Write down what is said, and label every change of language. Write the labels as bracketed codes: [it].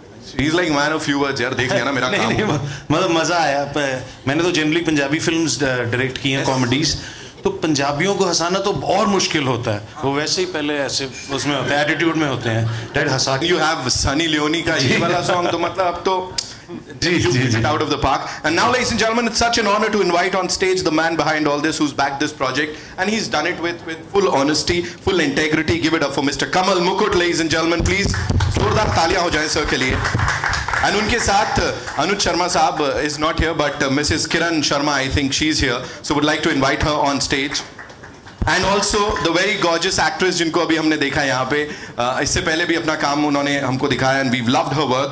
[en] He's like man of few words, [hi] यार देख लिया ना मेरा काम। मतलब मजा आया। मैंने तो generally पंजाबी films direct की हैं, comedies, तो पंजाबियों को हंसाना तो और मुश्किल होता है। वो वैसे ही पहले ऐसे उसमें होते हैं, attitude में होते हैं। Dad Hansa. [en] You have [hi] Sunny Leone का ये वाला song, तो मतलब अब तो जी [en] out of the park. And now, ladies and gentlemen, it's such an honor to invite on stage the man behind all this, who's backed this project, and he's done it with full honesty, full integrity. Give it up for Mr. Kamal Mukut, ladies and gentlemen, please. [hi] जोरदार तालियां हो जाए sir के लिए। [en] And उनके साथ अनुज शर्मा साहब is not here, but Mrs Kiran Sharma I think she is here, so would like to invite her on stage. And also the very gorgeous actress [hi] जिनको अभी हमने देखा यहाँ पे, इससे पहले भी अपना काम उन्होंने हमको दिखाया [en] And we loved her work.